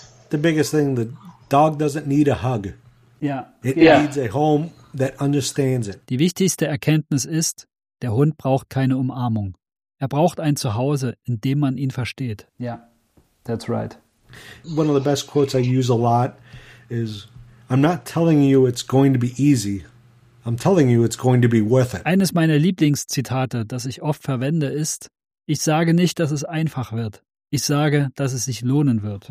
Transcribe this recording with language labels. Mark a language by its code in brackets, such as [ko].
[en] The biggest thing that dog doesn't need a hug. Yeah. It needs a home that understands it. [de] Die wichtigste Erkenntnis ist, der Hund braucht keine Umarmung. Er braucht ein Zuhause, in dem man ihn versteht. [en] Yeah. That's right. One of the best quotes I use a lot is I'm not telling you it's going to be easy. I'm telling you it's going to be worth it. [de] Eines meiner Lieblingszitate, das ich oft verwende, ist: Ich sage nicht, dass es einfach wird. Ich sage, dass es sich lohnen wird.